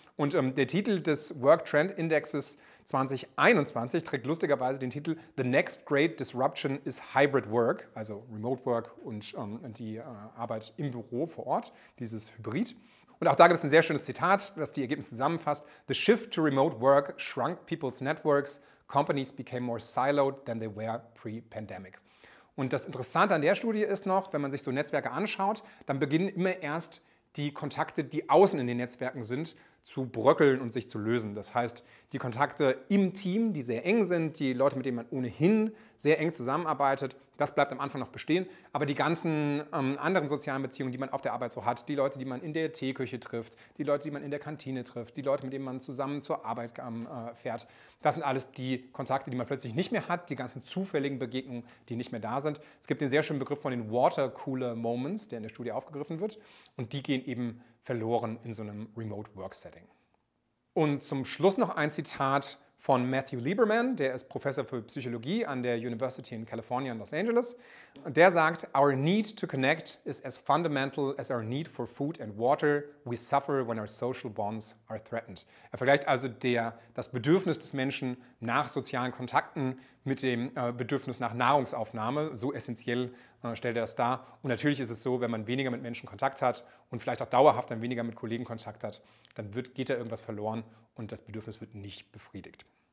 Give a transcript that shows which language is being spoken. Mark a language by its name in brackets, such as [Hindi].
[German] Und der Titel des Work Trend Indexes 2021 trägt lustigerweise den Titel [English] The Next Great Disruption is Hybrid Work, [German] also Remote Work und die Arbeit im Büro vor Ort, dieses Hybrid. Und auch da gibt es ein sehr schönes Zitat, das die Ergebnisse zusammenfasst. [English] The shift to remote work shrunk people's networks. Companies became more siloed than they were pre-pandemic. [German] Und das Interessante an der Studie ist noch, wenn man sich so Netzwerke anschaut, dann beginnen immer erst die Kontakte, die außen in den Netzwerken sind, zu bröckeln und sich zu lösen. Das heißt, die Kontakte im Team, die sehr eng sind, die Leute, mit denen man ohnehin sehr eng zusammenarbeitet, das bleibt am Anfang noch bestehen. Aber die ganzen anderen sozialen Beziehungen, die man auf der Arbeit so hat, die Leute, die man in der Teeküche trifft, die Leute, die man in der Kantine trifft, die Leute, mit denen man zusammen zur Arbeit fährt, das sind alles die Kontakte, die man plötzlich nicht mehr hat, die ganzen zufälligen Begegnungen, die nicht mehr da sind. Es gibt den sehr schönen Begriff von den Watercooler-Moments, der in der Studie aufgegriffen wird. Und die gehen eben verloren in so einem Remote-Work-Setting. Und zum Schluss noch ein Zitat von Matthew Lieberman, der ist Professor für Psychologie an der University in California in Los Angeles. Der sagt, [English] our need to connect is as fundamental as our need for food and water. We suffer when our social bonds are threatened. [German] Er vergleicht also das Bedürfnis des Menschen nach sozialen Kontakten mit dem Bedürfnis nach Nahrungsaufnahme. So essentiell stellt er das dar. Und natürlich ist es so, wenn man weniger mit Menschen Kontakt hat und vielleicht auch dauerhaft dann weniger mit Kollegen Kontakt hat, dann geht da irgendwas verloren und das Bedürfnis wird nicht befriedigt.